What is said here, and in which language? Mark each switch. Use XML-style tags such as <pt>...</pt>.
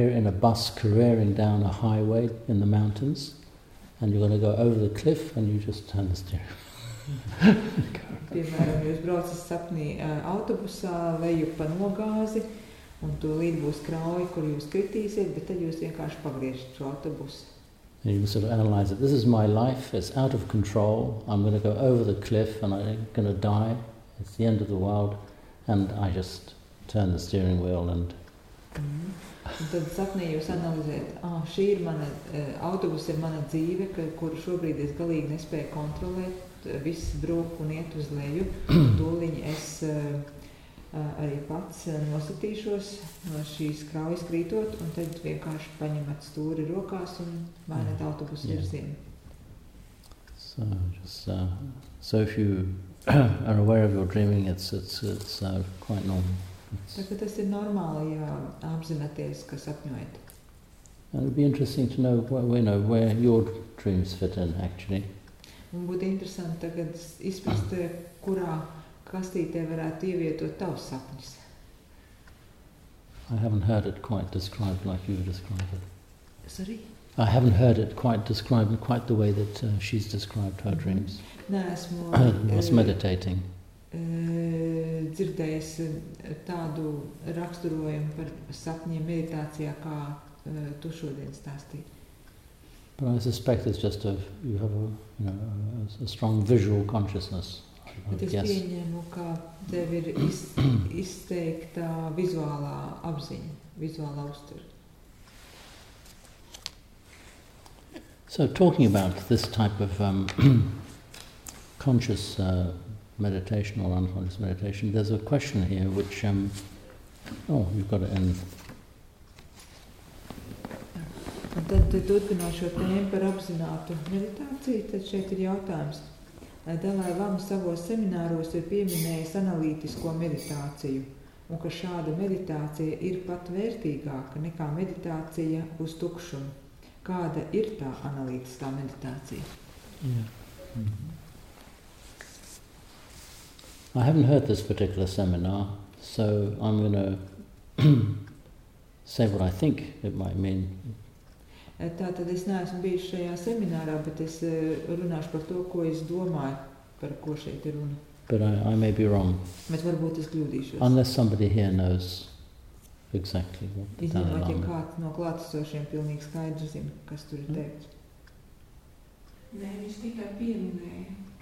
<en>You're in a bus careering down a highway in the mountains. And you're going to go over the cliff and you just turn the steering.</en> <lv>Piemēram, jūs braucat sapnī autobusā, leju pa nogāzi, un tūlīt būs krauji, kur jūs kritīsiet, bet tad jūs vienkārši pagriežat šo autobusu.</lv> <en>And you can sort of analyze it. This is my life. It's out of control. I'm going to go over the cliff and I'm going to die. It's the end of the world. And I just turn the steering wheel and...</en> <lv>Un tad sapnī jūs analizēt, šī ir mana, autobus ir mana dzīve, kur šobrīd es galīgi nespēju kontrolēt, viss brūk un iet uz leju, un tūliņi es arī pats nosatīšos no šīs kraujas krītot, un tad vienkārši paņemat stūri rokās un mainat autobusu virzienu.</lv> <en>So, so if you are aware of your dreaming, it's quite normal.</en> <lv>Tā tas ir normāli, ja apzināties, ka sapņojat.</lv> <en>And it'd be interesting to know where your dreams fit in, actually.</en> <lv>Un būtu interesanti tagad izprast, kurā kastītē varētu ievietot tavus sapņus.</lv> <en>I haven't heard it quite described like you described it. Sorry? I haven't heard it quite described in quite the way that she's described her dreams.</en> <lv>Nē, esmu...</lv> <en>was meditating.</en> <lv>Dzirdējis tādu raksturojumu par sapņiem meditācijā, kā tu šodien stāstīji.</lv> <en>But I suspect it's just a, you have a, you know, a strong visual consciousness.</en> <lv>Bet es pieņemu, ka tev ir izteikta vizuālā apziņa, vizuālā uztura.</lv> <en>So talking about this type of conscious meditation or unconscious meditation, there's a question here which you've got it in.</en> <lv>Tad turpinošo tēmu par apzinātu meditāciju, tad šeit ir jautājums. Dalai Lama savos semināros ir pieminējis analītisko meditāciju, un ka šāda meditācija ir pat vērtīgāka nekā meditācija uz tukšumu. Kāda ir tā analītiskā meditācija?</lv> <en>I haven't heard this particular seminar, so I'm going to say what I think it might mean.</en> <lv>Tātad es neesmu bijis šajā seminārā, bet es runāšu par to, ko es domāju, par ko šeit ir runa.</lv> <en>But I may be wrong.</en> <lv>Bet varbūt es kļūdīšos.</lv> <en>Unless somebody here knows exactly what the Dalai Lama.</en> <lv>Izņemot, ja kāds no klātesošiem pilnīgi skaidrs zin, kas tur ir teikts. Nē, viņš tikai pieminēja.</lv>